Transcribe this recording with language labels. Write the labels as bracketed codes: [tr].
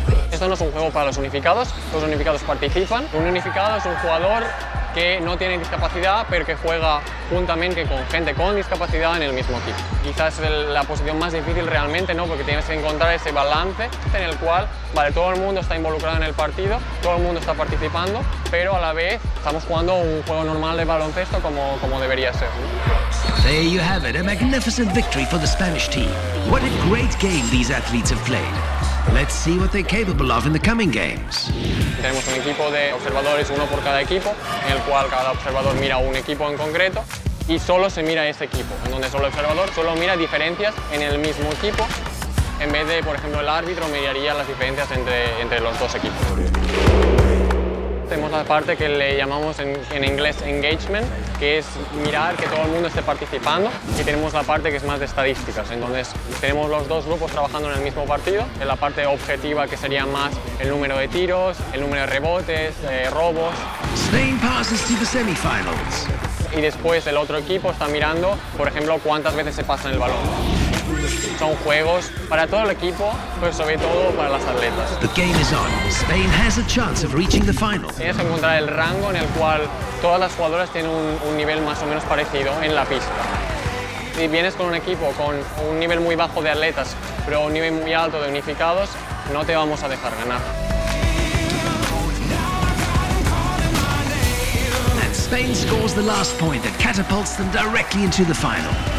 [es] Esto no es un juego para los unificados participan. Un unificado es un jugador que no tiene discapacidad, pero que juega juntamente con gente con discapacidad en el mismo equipo. Quizás es la posición más difícil realmente, ¿no? Porque tienes que encontrar ese balance en el cual, vale, todo el mundo está involucrado en el partido, todo el mundo está participando, pero a la vez estamos jugando un juego normal de baloncesto como debería ser. [en] There you have it, a magnificent victory for the Spanish team. What a great game these athletes have played. Let's see what they're capable of in the coming games. [es] Tenemos un equipo de observadores, uno por cada equipo, en el cual cada observador mira un equipo en concreto y solo se mira ese equipo, en donde solo el observador solo mira diferencias en el mismo equipo, en vez de, por ejemplo, el árbitro miraría las diferencias entre los dos equipos. Tenemos la parte que le llamamos en inglés engagement, que es mirar que todo el mundo esté participando. Y tenemos la parte que es más de estadísticas. Entonces, tenemos los dos grupos trabajando en el mismo partido. En la parte objetiva, que sería más el número de tiros, el número de rebotes, robos. [en] Spain passes to the semifinals. [es] Y después el otro equipo está mirando, por ejemplo, cuántas veces se pasa el balón. son juegos para todo el equipo, pero sobre todo para las atletas. [en] The game is on. Spain has a chance of reaching the final. [es] Tienes que encontrar el rango en el cual todas las jugadoras tienen un nivel más o menos parecido en la pista. Si vienes con un equipo con un nivel muy bajo de atletas, pero un nivel muy alto de unificados, no te vamos a dejar ganar. [en] Spain scores the last point that catapults them directly into the final.